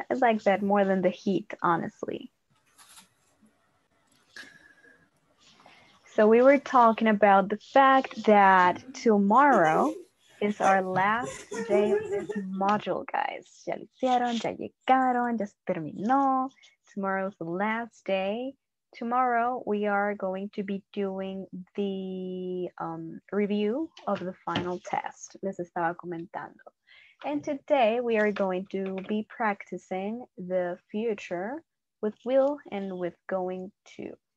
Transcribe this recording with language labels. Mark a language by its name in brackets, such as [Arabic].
[English] I like that more than the heat, honestly. So we were talking about the fact that tomorrow is our last day of this module, guys. [Spanish] Ya lo hicieron, ya llegaron, ya se terminó. [English] Tomorrow's the last day. Tomorrow, we are going to be doing the review of the final test. [Spanish] Les estaba comentando. [English] And today, we are going to be practicing the future with will and with going to.